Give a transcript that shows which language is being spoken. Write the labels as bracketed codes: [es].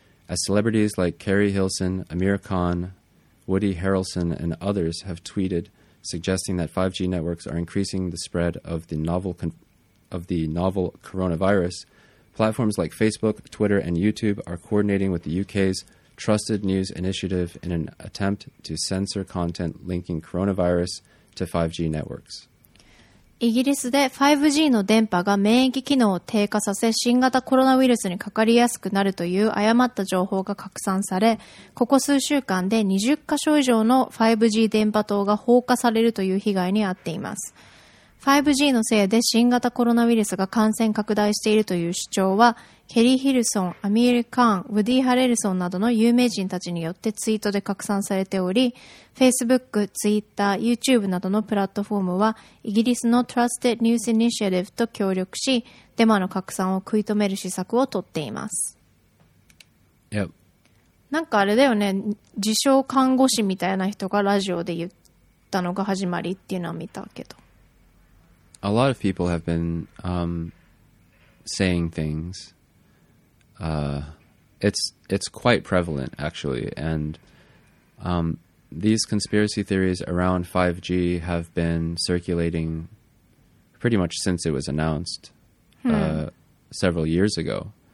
[en] As celebrities like Carrie Hilson, Amir Khan, Woody Harrelson, and others have tweeted suggesting that 5G networks are increasing the spread of the novel coronavirus, platforms like Facebook, Twitter, and YouTube are coordinating with the UK's Trusted News Initiative in an attempt to censor content linking coronavirus to 5G networks. [ja] イギリスで 5G の電波が免疫機能を低下させ新型コロナウイルスにかかりやすくなるという誤った情報が拡散され、ここ数週間で20カ所以上の 5G 電波塔が放火されるという被害に遭っています。 5G のせいで新型コロナウイルスが感染拡大しているという主張は、ケリー・ヒルソン、アミール・カーン、ウディ・ハレルソンなどの有名人たちによってツイートで拡散されており、Facebook、Twitter、YouTube などのプラットフォームは、イギリスの Trusted News Initiative と協力し、デマの拡散を食い止める施策を取っています。 [en] Yep. [ja] なんかあれだよね、自称看護師みたいな人がラジオで言ったのが始まりっていうのは見たけど。 [en] A lot of people have been saying things. It's quite prevalent, actually. And these conspiracy theories around 5G have been circulating pretty much since it was announced several years ago.